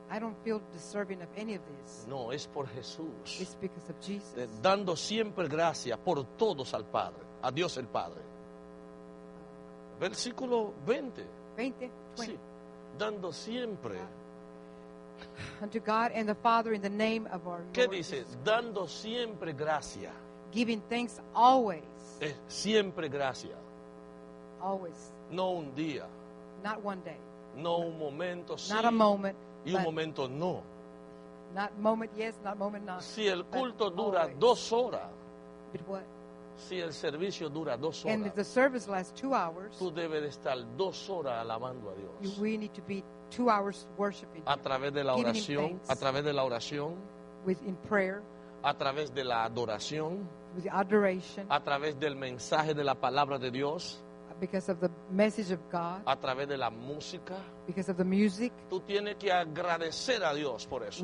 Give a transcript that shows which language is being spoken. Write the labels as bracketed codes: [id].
[en] I don't feel deserving of any of this. [es] No, es por Jesús. [en] It's because of Jesus. [es] Dando siempre gracia por todos al Padre, a Dios el Padre. Versículo 20. [en] 20, 20. [es] Sí. Dando siempre. [en] Unto God and the Father in the name of our Lord. [es] ¿Qué dice? Dando siempre gracia. [en] Giving thanks always. [es] Siempre gracia. [en] Always. [es] No un día. [en] Not one day. [es] No un momento, sí. [en] Not a moment. [es] Y un momento no. [en] Not moment yes, not moment not. [es] Si el culto dura dos horas. [en] But what? [es] Si el servicio dura dos horas. [en] And if the service lasts 2 hours. [es] Tú debes de estar dos horas alabando a Dios. [en] We need to be 2 hours worshiping. [es] A través de la oración. A través de la oración. [en] Within prayer. [es] A través de la adoración. [en] With the adoration. [es] A través del mensaje de la palabra de Dios. [en] Because of the message of God. [es] A través de la música. [en] Because of the music. [es] Tú tienes que agradecer a Dios por eso.